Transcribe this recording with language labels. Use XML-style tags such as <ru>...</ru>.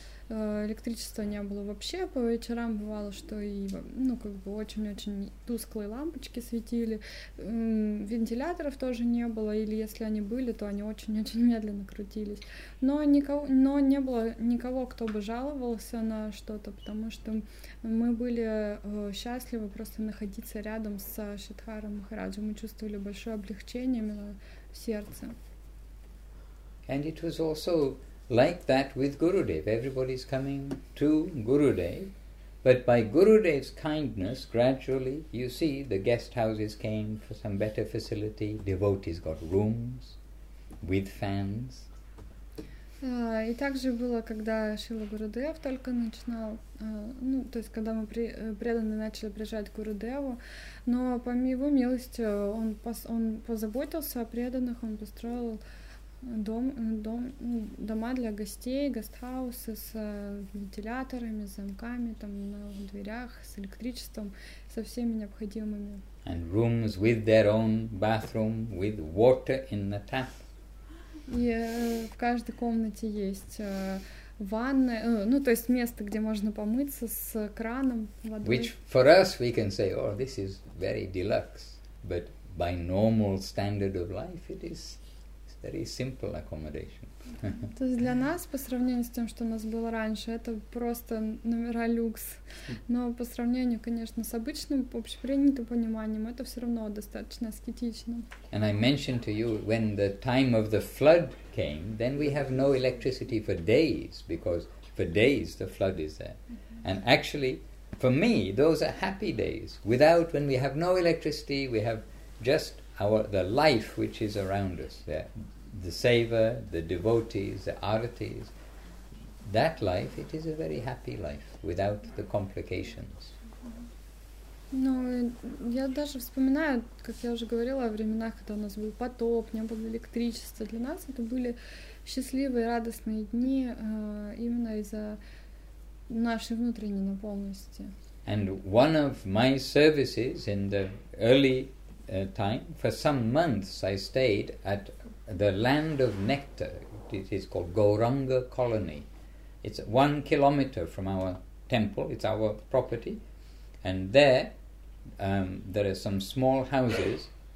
<ru>Электричества не было вообще, по вечерам бывало, что и, ну, как бы очень-очень тусклые лампочки светили, вентиляторов тоже не было, или если они были, то они очень-очень медленно крутились, но не было никого, кто бы жаловался на что-то, потому что мы были счастливы просто находиться рядом с Шридхарой Махараджем, мы чувствовали большое облегчение именно в сердце.</ru> <en>And it was also like that with Gurudev. Everybody's coming to Gurudev, but by Gurudev's kindness, gradually, you see, the guest houses came for some better facility, devotees got rooms with fans.</en> <ru>И также было, когда Шрила Гурудев только начинал, ну, то есть когда мы преданные начали приезжать к Гурудеву, но по его милости он позаботился о преданных, он построил дома для гостей, гестхаусы с вентиляторами, с замками, там на дверях, с электричеством, со всеми необходимыми.</ru> <en>And rooms with their own bathroom, with water in the tap.</en> <ru>И в каждой комнате есть ванна, ну то есть место, где можно помыться с краном водой.</ru> <en>Which for us we can say, oh, this is very deluxe, but by normal standard of life it is very simple accommodation.</en> <ru>То есть для нас, по сравнению с тем, что у нас было раньше, это просто номера люкс. Но по сравнению, конечно, с обычным общепринятым пониманием, это все равно достаточно аскетично.</ru> <en>And I mentioned to you, when the time of the flood came, then we have no electricity for days, because for days the flood is there. And actually, for me, those are happy days. Without, when we have no electricity, we have just the life which is around us. Yeah. The seva, the devotees, the artis, that life, it is a very happy life without the complications.</en> <ru>Ну, я даже вспоминаю, как я уже говорила, о временах, когда у нас был потоп, не было электричества. Для нас это были счастливые, радостные дни, именно из-за нашей внутренней наполненности.</ru> <en>And one of my services in the early time, for some months I stayed at the land of nectar. It is called Gauranga Colony. It's 1 kilometer from our temple. It's our property. And there, there are some small houses.</en>